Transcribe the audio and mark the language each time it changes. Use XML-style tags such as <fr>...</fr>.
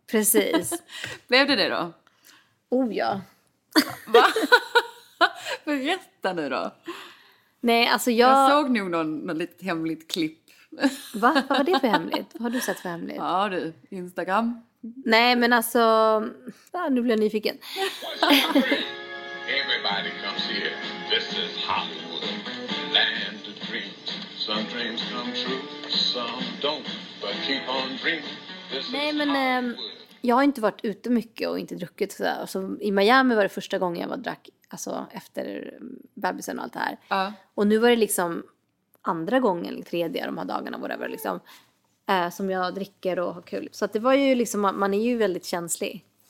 <sv>Precis. Blev det då? Oh ja. Va? Berätta nu då. Nej, alltså jag... Jag såg nog någon lite hemligt klipp. Va? Vad var det för hemligt? Vad har du sett för hemligt? Ja, du. Instagram. Nej, men alltså... Ja, nu blir jag nyfiken.</sv> <en>Everybody comes here. This is Hollywood. Land of dreams. Some dreams come true, some don't, but keep on dreaming.</en> <sv>Nej, men jag har inte varit ute mycket och inte druckit sådär. Alltså, i Miami var det första gången jag var drack, alltså efter bebisen och allt det här. Och nu var det liksom andra gången, eller tredje de här dagarna, whatever, liksom, som jag dricker och har kul. Så att det var ju liksom, man är ju väldigt känslig.</sv>